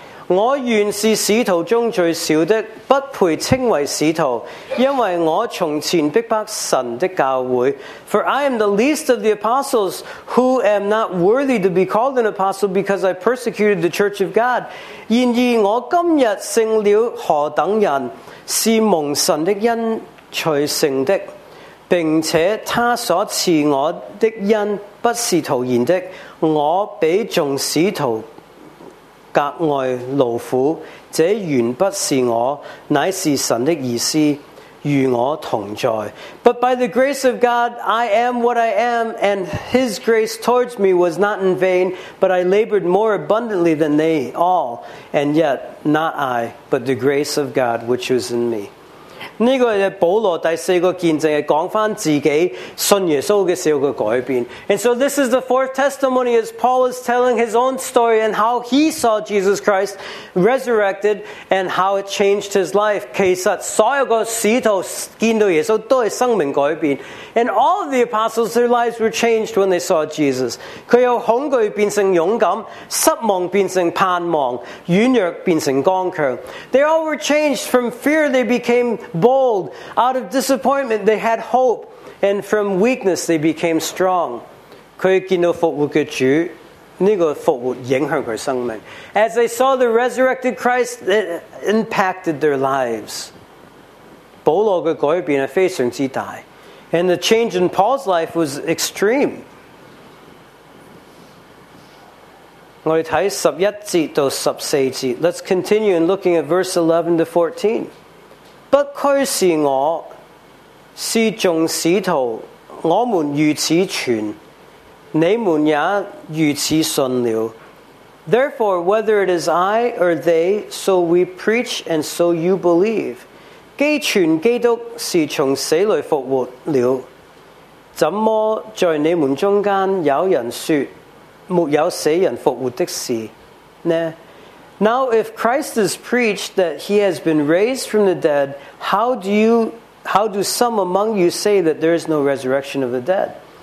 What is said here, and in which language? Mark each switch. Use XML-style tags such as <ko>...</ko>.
<zh>我原是使徒中最小的，不配称为使徒，因为我从前逼迫神的教会。</zh> <en>For I am the least of the apostles, who am not worthy to be called an apostle, because I persecuted the church of God.</en> <zh>然而我今日胜了何等人，是蒙神的恩才胜的，并且他所赐我的恩不是徒然的，我比众使徒格外劳苦，这原不是我，乃是神的意思，与我同在。</zh> <en>But by the grace of God, I am what I am, and His grace towards me was not in vain, but I labored more abundantly than they all, and yet not I, but the grace of God which was in me.</en> <zh>这个是保罗第四个见证，是讲回自己信耶稣的时候的改变。</zh> <en>And so this is the fourth testimony as Paul is telling his own story and how he saw Jesus Christ resurrected and how it changed his life.</en> <zh>其实所有的使徒见到耶稣都是生命改变。</zh> <en>And all of the apostles, their lives were changed when they saw Jesus.</en> <zh>他由恐惧变成勇敢，失望变成盼望，软弱变成刚强。</zh> <en>They all were changed. From fear they became bold, out of disappointment they had hope, and from weakness they became strong.</en> <zh>他见到复活的主，这个复活影响他生命。</zh> <en>As they saw the resurrected Christ, it impacted their lives.</en> <zh>保罗的改变非常之大，</zh> <en>and the change in Paul's life was extreme.</en> <zh>我们看十一节到十四节，</zh> <en>let's continue in looking at verse 11 to 14.</en> <zh>But 不拘是我，是众使徒，我们如此传，你们也如此信了。</zh> <en>Therefore, whether it is I or they, so we preach and so you believe.</en> <zh>既传基督是从死里复活了，怎么在你们中间有人说没有死人复活的事呢？</zh> <en>Now if Christ is preached that he has been raised from the dead, how do some among you say that there is no resurrection of the dead?</en>